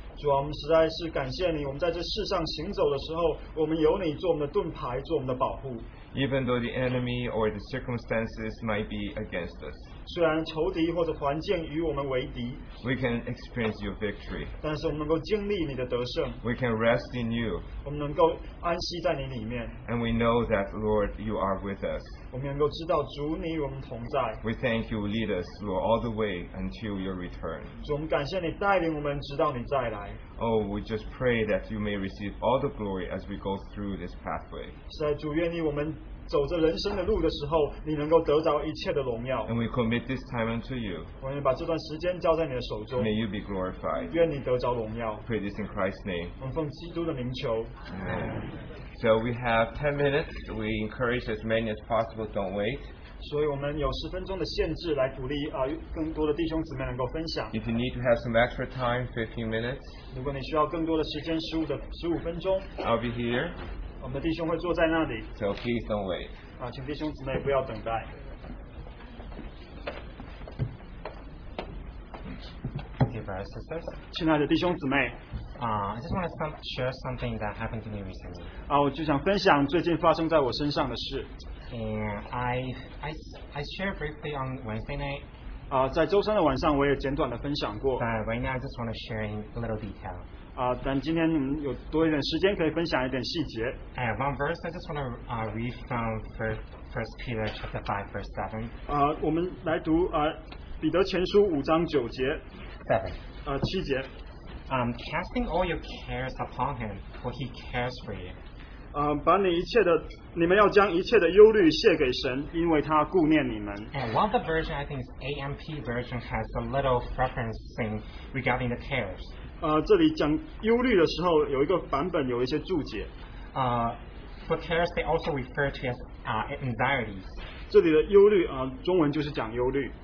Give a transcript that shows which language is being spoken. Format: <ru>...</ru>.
<zh>主啊，我们实在是感谢你。我们在这世上行走的时候，我们有你做我们的盾牌，做我们的保护。</zh> <en>Even though the enemy or the circumstances might be against us,</en> <zh>虽然仇敌或者环境与我们为敌，</zh> <en>we can experience your victory.</en> <zh>但是我们能够经历你的得胜。</zh> <en>We can rest in you.</en> <zh>我们能够安息在你里面。</zh> <en>And we know that, Lord, you are with us.</en> <zh>我们能够知道主你与我们同在。</zh> <en>We thank you, lead us, Lord, all the way until your return.</en> <zh>主，我们感谢你带领我们直到你再来。</zh> <en>Oh, we just pray that you may receive all the glory as we go through this pathway.</en> <zh>是的，主，愿你我们走着人生的路的时候，你能够得到一切的荣耀。</zh> <en>And we commit this time unto you.</en> <zh>我们把这段时间交在你的手中。</zh> <en>May you be glorified.</en> <zh>愿你得着荣耀。</zh> <en>Pray this in Christ's name.</en> <zh>我们奉基督的名求。</zh> <en>Amen. So we have 10 minutes. We encourage as many as possible. Don't wait.</en> <zh>所以我们有十分钟的限制来鼓励更多的弟兄姊妹能够分享。</zh> <en>If you need to have some extra time, 15 minutes.</en> <zh>如果你需要更多的时间，15分钟。</zh> <en>I'll be here.</en> <zh>我们的弟兄会坐在那里。</zh> <en>So please don't wait.</en> <zh>请弟兄姊妹不要等待。</zh> <en>Dear brothers and sisters,</en> <zh>亲爱的弟兄姊妹。</zh> <en>I just want to share something that happened to me recently.</en> <zh>我就想分享最近发生在我身上的事。</zh> <en>And I share briefly on Wednesday night.</en> <zh>在周三的晚上我也简短的分享过。</zh> <en>But right now I just want to share in a little detail.</en> <zh>但今天你们有多一点时间可以分享一点细节。</zh> <en>One verse I just want to read from First Peter chapter 5 verse 7.</en> <zh>我们来读彼得前书五章九节。</zh> <en>Seven.</en> <zh>七节。</zh> <en>Casting all your cares upon him, for he cares for you.</en> <zh>把你一切的，你们要将一切的忧虑卸给神，因为他顾念你们。</zh> <en>And one of the version I think is AMP version has a little referencing regarding the cares.</en> <zh>这里讲忧虑的时候，有一个版本有一些注解。</zh> <en>For cares, they also refer to as anxieties.</en> <zh>这里的忧虑中文就是讲忧虑。</zh>